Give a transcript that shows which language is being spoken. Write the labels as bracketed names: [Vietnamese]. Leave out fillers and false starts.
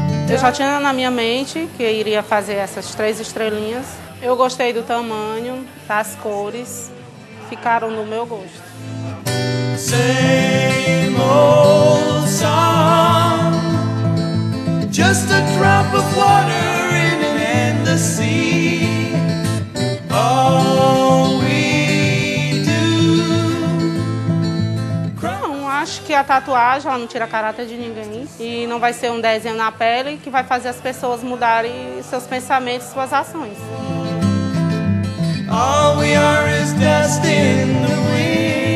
[Portuguese] Eu já tinha na minha mente que iria fazer essas três estrelinhas. Eu gostei do tamanho, das cores, ficaram no meu gosto. [English] Same old song, just a drop of water in an endless sea. All we do. [Portuguese] Não, acho que a tatuagem ela não tira caráter de ninguém e não vai ser um desenho na pele que vai fazer as pessoas mudarem seus pensamentos, suas ações. [English] All we are is dust in the wind.